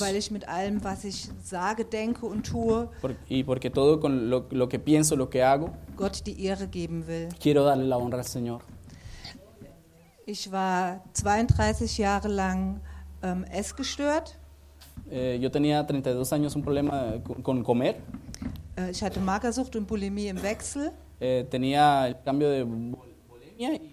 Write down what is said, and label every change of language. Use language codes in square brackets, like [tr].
[de] Weil ich mit allem, was ich sage, denke und tue. [es] Y porque todo con lo que pienso, lo que hago. [de] Gott die Ehre geben will. [es] Quiero darle la honra al Señor. [de] Ich war 32 Jahre lang essgestört. [es] Yo tenía 32 años un problema con comer. [de] Ich hatte Magersucht und Bulimie im Wechsel. [es] Tenía el cambio de bulimia